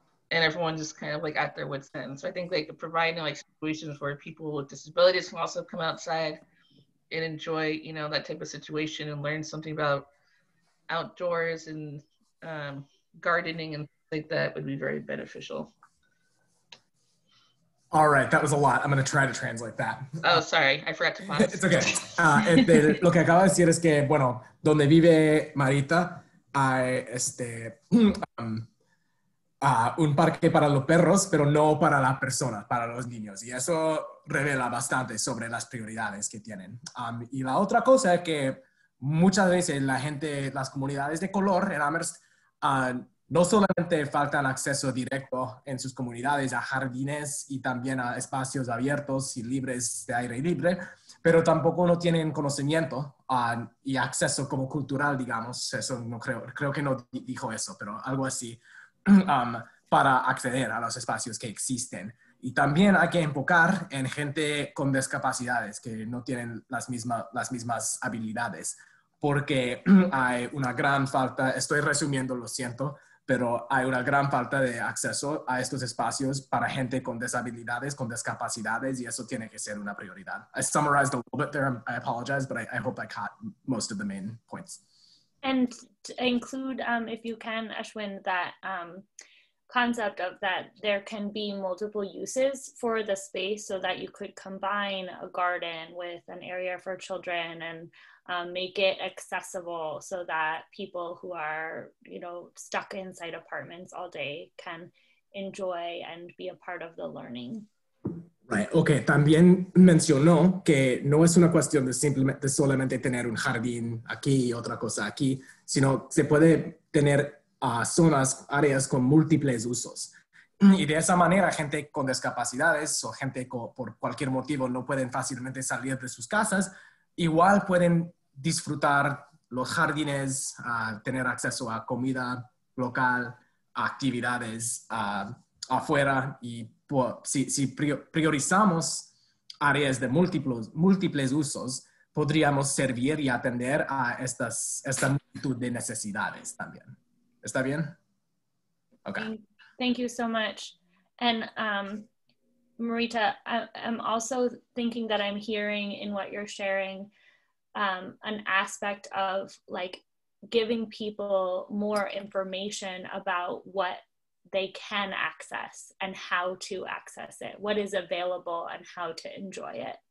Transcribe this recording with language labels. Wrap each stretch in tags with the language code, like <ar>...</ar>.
<en>And everyone's just kind of like at their wit's end. So I think like providing like situations where people with disabilities can also come outside and enjoy, you know, that type of situation and learn something about outdoors and gardening and like that would be very beneficial. All right, that was a lot. I'm going to try to translate that. Oh, sorry. I forgot to pause. It's okay.</en> <es>Lo que acabo de decir es que, bueno, donde vive Marita, hay un parque para los perros, pero no para las personas, para los niños. Y eso revela bastante sobre las prioridades que tienen. Y la otra cosa es que muchas veces la gente, las comunidades de color en Amherst, no solamente faltan acceso directo en sus comunidades a jardines y también a espacios abiertos y libres de aire libre, pero tampoco no tienen conocimiento y acceso como cultural, digamos, eso no creo, creo que no dijo eso, pero algo así, para acceder a los espacios que existen. Y también hay que enfocar en gente con discapacidades que no tienen las mismas habilidades, porque hay una gran falta, estoy resumiendo, lo siento, pero hay una gran falta de acceso a estos espacios para gente con deshabilidades, con discapacidades, y eso tiene que ser una prioridad.</es> <en>I summarized a little bit there, I apologize, but I hope I caught most of the main points. And to include, if you can, Ashwin, that concept of that there can be multiple uses for the space so that you could combine a garden with an area for children and make it accessible so that people who are, you know, stuck inside apartments all day can enjoy and be a part of the learning. Right. Okay.</en> <es>También mencionó que no es una cuestión de simplemente solamente tener un jardín aquí y otra cosa aquí, sino se puede tener zonas, áreas con múltiples usos. Y de esa manera, gente con discapacidades o gente por cualquier motivo no pueden fácilmente salir de sus casas, igual pueden disfrutar los jardines, tener acceso a comida local, actividades afuera. Y si priorizamos áreas de múltiples usos, podríamos servir y atender a esta multitud de necesidades también. ¿Está bien? Okay.</es> <en>Thank you so much. And Marita, I'm also thinking that I'm hearing in what you're sharing an aspect of like giving people more information about what they can access and how to access it, what is available and how to enjoy it.</en>